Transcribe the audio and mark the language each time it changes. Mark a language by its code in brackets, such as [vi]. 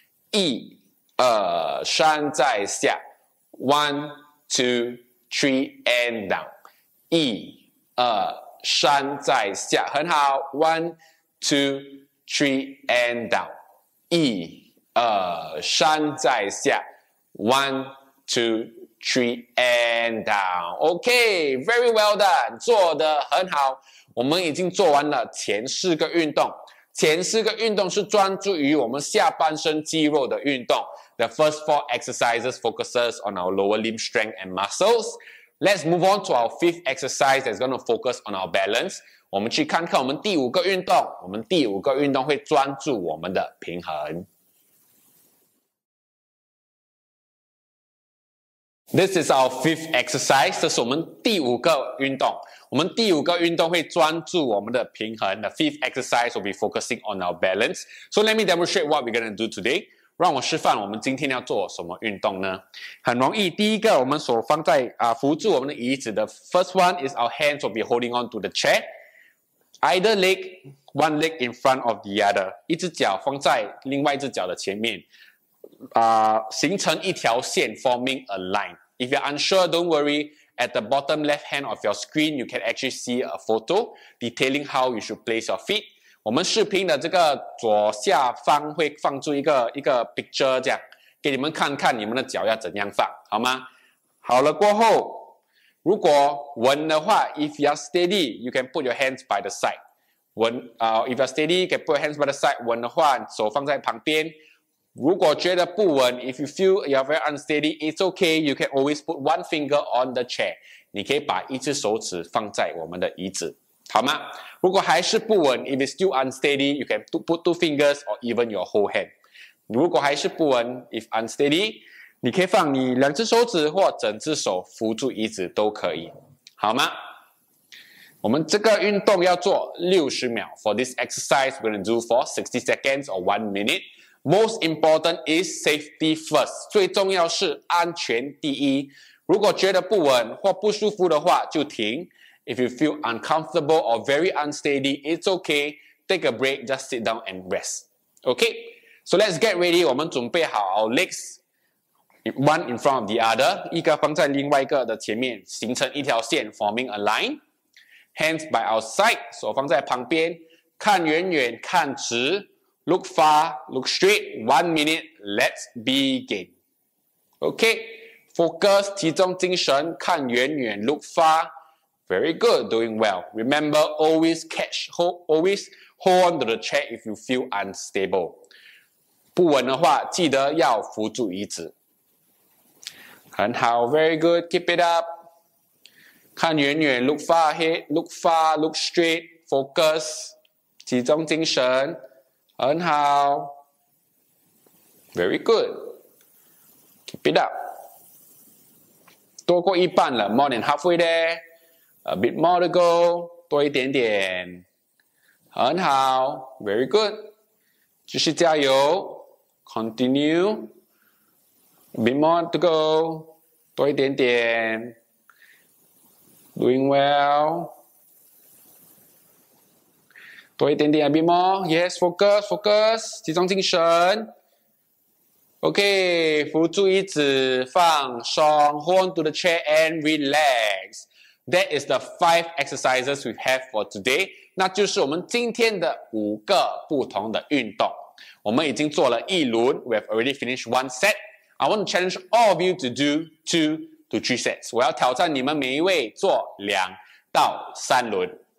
[zh] 一二三再下 [en] ，one two three and down， [zh] 一二三再下，很好 [en] ，one two three and down， 一二三再下 ，one two three and down，OK，very well done， [zh] 做得很好。我们已经做完了前四个运动。前四个运动是专注于我们下半身肌肉的运动。 [en] The first four exercises focuses on our lower limb strength and muscles. Let's move on to our fifth exercise that's going to focus on our balance. [zh] 我们去看看我们第五个运动。我们第五个运动会专注我们的平衡。 [en] This is our fifth exercise. [zh] 这是我们第五个运动。我们第五个运动会专注我们的平衡。 [en] The fifth exercise will be focusing on our balance. So let me demonstrate what we're going to do today. [zh] 让我示范我们今天要做什么运动呢？很容易。第一个，我们手放在扶住我们的椅子。 [en] The first one is our hands will be holding on to the chair. Either leg, one leg in front of the other. [zh] 一只脚放在另外一只脚的前面。形成一条线 [en] ,forming a line. If you're unsure, don't worry. At the bottom left hand of your screen, you can actually see a photo detailing how you should place your feet. [zh] 我们视频的这个左下方会放出一个 picture 这样，给你们看看你们的脚要怎样放，好吗？好了过后，如果稳的话 [en] ,if you're steady, you can put your hands by the side. [zh] 稳, [en] if you're steady, you can put your hands by the side. [zh] 稳的话，手放在旁边。如果觉得不稳 [en] ,if you feel you are very unsteady, it's okay, you can always put one finger on the chair. [zh] 你可以把一只手指放在我们的椅子。好吗？如果还是不稳 [en] ,if it's still unsteady, you can put two fingers or even your whole hand. [zh] 如果还是不稳 , [en] if unsteady, [zh] 你可以放你两只手指或整只手扶住椅子都可以。好吗？我们这个运动要做60秒。 [en] For this exercise, we're going to do for 60 seconds or 1 minute. Most important is safety first. [zh] 最重要是安全第一。如果觉得不稳或不舒服的话就停。 [en] If you feel uncomfortable or very unsteady, it's okay. Take a break, just sit down and rest. Okay? So let's get ready. [zh] 我们准备好 [en] our legs. One in front of the other. [zh] 一个放在另外一个的前面，形成一条线 , [en] forming a line. Hands by our side, [zh] 手放在旁边。看远远，看直。 [en] Look far, look straight, 1 minute, let's begin. Okay, Focus, [zh] 集中精神, 看远远, [en] look far. Very good, doing well. Remember, always catch, always hold on to the chair if you feel unstable. [zh] 不稳的话, 记得要扶住椅子。很好, [en] very good, keep it up. [zh] 看远远, [en] look far ahead, look far, look straight, focus, [zh] 集中精神, 很好, [en] very good, keep it up. [zh] 多过一半了, [en] more than halfway there, a bit more to go, [zh] 多一点点, 很好, [en] very good, [zh] 继续加油, [en] continue, a bit more to go, [zh] 多一点点, [en] doing well, [zh] 多一点点, [en] a bit more, yes, focus, focus, [zh] 集中精神, [en] okay, [zh] 扶住椅子, 放松, [en] hold on to the chair and relax. That is the 5 exercises we have for today. [zh] 那就是我们今天的5个不同的运动。我们已经做了一轮, [en] we have already finished one set. I want to challenge all of you to do 2 to 3 sets. [zh] 我要挑战你们每一位做2到3轮。